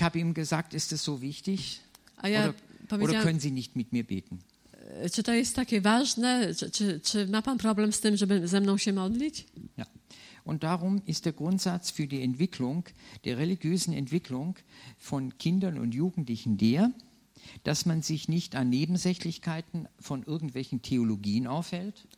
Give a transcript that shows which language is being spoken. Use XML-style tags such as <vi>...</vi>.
<de>Ich habe ihm gesagt, ist das so wichtig?</de> <pl>A ja</pl> <de>oder können Sie nicht mit mir beten?</de> <pl>Czy to jest takie ważne? Czy ma pan problem z tym, żeby ze mną się modlić?</pl> <de>Ja. Und darum ist der Grundsatz für die Entwicklung, der religiösen Entwicklung von Kindern und Jugendlichen der, dass man sich nicht an Nebensächlichkeiten von irgendwelchen Theologien aufhält.</de>